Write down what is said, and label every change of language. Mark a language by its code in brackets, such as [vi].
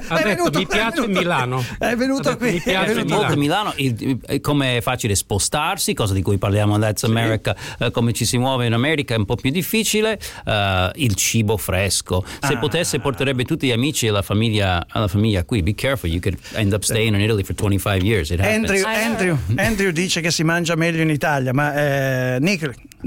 [it] Ha detto, mi piace Milano. È venuto qui. Mi piace Milano. Come è facile spostarsi, cosa di cui parliamo adesso, America, come ci si muove in America è un po' più difficile. Il cibo fresco. Se potesse, porterebbe tutti gli amici e la famiglia qui. [en] Be careful, you could end up staying in Italy for 25 years. It happens. [it] Andrew dice che si mangia meglio in Italia, ma Nicholas.